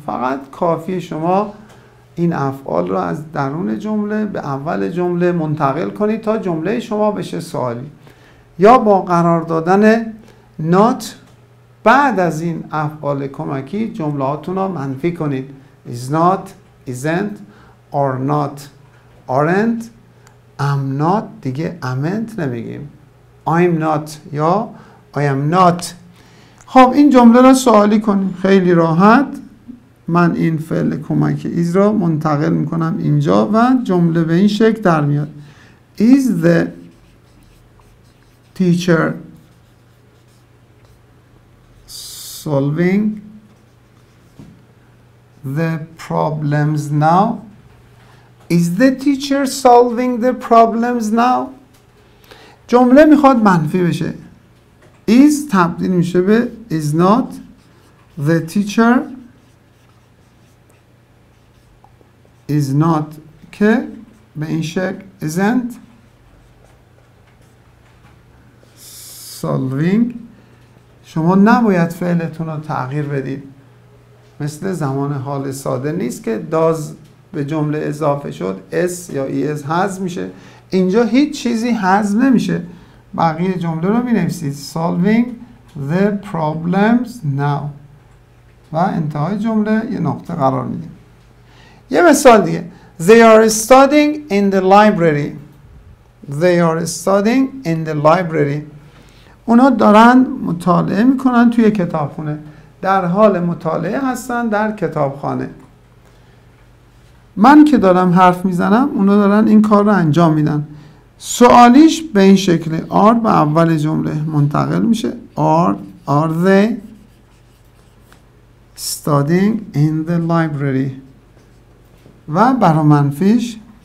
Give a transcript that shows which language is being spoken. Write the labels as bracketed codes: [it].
[fa] فقط کافی شما این افعال رو از درون جمله به اول جمله منتقل کنید تا جمله شما بشه سوالی، یا با قرار دادن not بعد از این افعال کمکی جملهاتون رو منفی کنید. [en] is not، isn't، are not، aren't، am not، [fa] دیگه [en] amn't [fa] نمیگیم، [en] I'm not [fa] یا [en] I am not. [fa] خب این جمله رو سوالی کنیم خیلی راحت. من این فعل کمک is را منتقل میکنم اینجا و جمله به این شکل در میاد. [en] Is the teacher solving the problems now? Is the teacher solving the problems now? [fa] جمله میخواد منفی بشه. Is تبدیل میشه به [en] is not. The teacher is not [fa] که به این شکل [en] isn't solving. [fa] شما نباید فعلتون رو تغییر بدید، مثل زمان حال ساده نیست که does به جمله اضافه شد is یا is هضم میشه، اینجا هیچ چیزی هضم نمیشه، بقیه جمله رو می‌نویسید [en] solving the problems now [fa] و انتهای جمله یه نقطه قرار میدید. یه مثال دیگه، [en] they are studying in the library، [fa] they are studying in the library، اونا دارن مطالعه میکنن توی کتابخونه، در حال مطالعه هستن در کتابخانه. من که دارم حرف میزنم اونا دارن این کار رو انجام میدن. سوالیش به این شکله، are به اول جمله منتقل میشه، [en] are they studying in the library، [fa] و برای منفیش